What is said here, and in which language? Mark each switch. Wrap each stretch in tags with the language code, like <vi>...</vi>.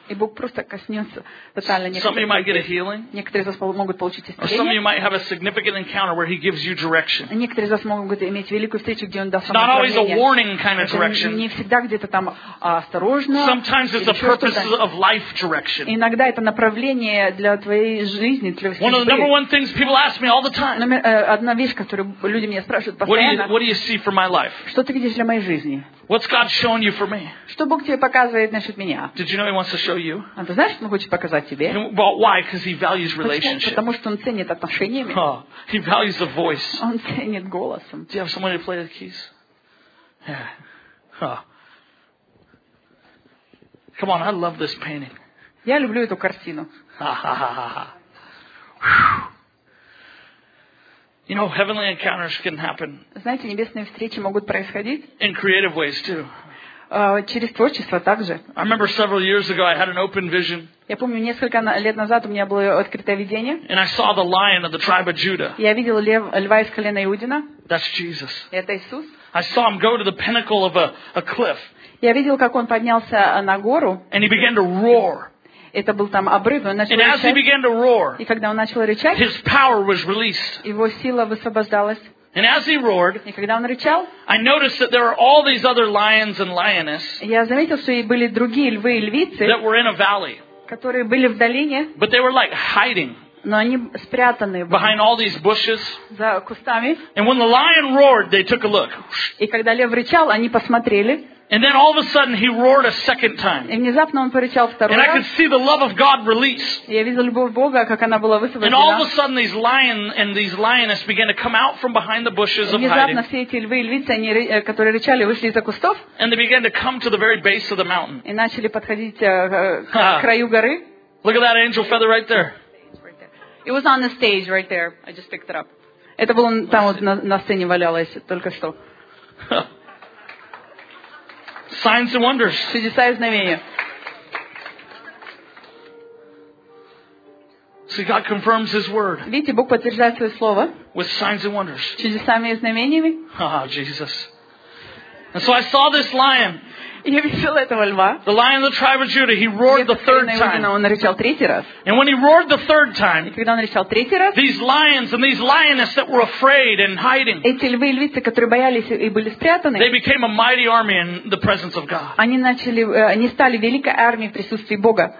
<ru>И Бог просто коснётся тотально некоторых.</ru> <en>Some of you might get a healing.</en> <ru>Некоторые из вас могут получить исцеление.</ru> <en>Some of you might have a significant encounter where he gives you direction.</en> <ru>Некоторые из вас могут иметь великую встречу, где он даст направление.</ru> <en>Not always a warning kind of direction.</en> <ru>Не всегда где-то там осторожно.</ru> <en>Sometimes it's a purpose of life direction.</en> <ru>Иногда это направление для твоей жизни, для всей.</ru> <en>One of the number one things people ask me all the time.</en> <ru>Одна вещь, которую люди меня спрашивают постоянно.</ru> <en>What do you see for my life?</en> <ru>Что ты видишь для моей жизни?</ru> <en>What's God showing you for me?</en> <ru>Что Бог тебе показывает насчет меня?</ru> <en>Did you know He wants to show you?</en> <ru>А ты знаешь, что Он хочет показать тебе?</ru> <en>But why? Because He values relationships.</en> <ru>Потому что Он ценит отношения.</ru> <en>Oh, He values the voice.</en> <ru>Он ценит голосом.</ru> <en>Do you have someone to play the keys? Yeah. Huh. Come on, I love this painting.</en> <ru>Я люблю эту картину.</ru> <en>You know, heavenly encounters can happen.</en> <ru>Знаете, небесные встречи могут происходить.</ru> <en>In creative ways too.</en> <ru>Через творчество также.</ru> <en>I remember several years ago I had an open vision.</en> <ru>Я помню, несколько лет назад у меня было открытое видение.</ru> <en>And I saw the lion of the tribe of Judah.</en> <ru>Я видел льва из колена Иудина.</ru> <en>That's Jesus.</en> <ru>Это Иисус.</ru> <en>I saw him go to the pinnacle of a cliff.</en> <ru>Я видел, как он поднялся на гору.</ru> <en>And he began to roar.</en> <ru>Это был там обрыв, он начал</ru> <en>and</en> <ru>рычать.</ru> <en>As he began to roar,</en> <ru>и когда он начал рычать,</ru> <en>his power was released.</en> <ru>Его сила высвобождалась.</ru> <en>And as he roared,</en> <ru>и когда он рычал,</ru> <en>I noticed that there were all these other lions and lionesses.</en> <ru>Я заметил, что и были другие львы и львицы,</ru> <en>that were in a valley,</en> <ru>которые были в долине,</ru> <en>but they were like hiding.</en> <ru>Но они спрятаны были</ru> <en>behind all these bushes,</en> <ru>за кустами.</ru> <en>And when the lion roared, they took a look.</en> <ru>И когда лев рычал, они посмотрели.</ru> <en>And then all of a sudden he roared a second time.</en> <ru>И внезапно он прорычал второй раз.</ru> <en>And I could see the love of God release.</en> <ru>Я видел любовь Бога, как она была высвобождена.</ru> <en>And all of a sudden these lions and these lioness began to come out from behind the bushes of hiding.</en> <ru>Внезапно все эти львы и львицы, которые рычали, вышли из-за кустов.</ru> <en>And they began to come to the very base of the mountain.</en> <ru>И начали подходить к краю горы.</ru> <en>Look at that angel feather right there. It was on the stage right there. I just picked it up.</en> <ru>Это было там вот на сцене валялось только что.</ru> <en>Signs and wonders.</en> <ru>Чудеса и знамения.</ru> <en>See, God confirms His word.</en> <ru>Видите, Бог подтверждает свое слово.</ru> <en>With signs and wonders.</en> <ru>Чудесами и знамениями.</ru> <en>Ah, Jesus. And so I saw this lion.</en> <ru>Я видел этого льва.</ru> <en>The lion of the tribe of Judah. He roared the third time.</en> <ru>Он рычал третий раз.</ru> <en>And when he roared the third time,</en> <ru>и когда он рычал третий раз,</ru> <en>these lions and these lionesses that were afraid and hiding,</en> <ru>эти львы и львицы, которые боялись и были спрятаны,</ru> <en>they became a mighty army in the presence of God.</en> <ru>Они стали великой армией в присутствии Бога.</ru>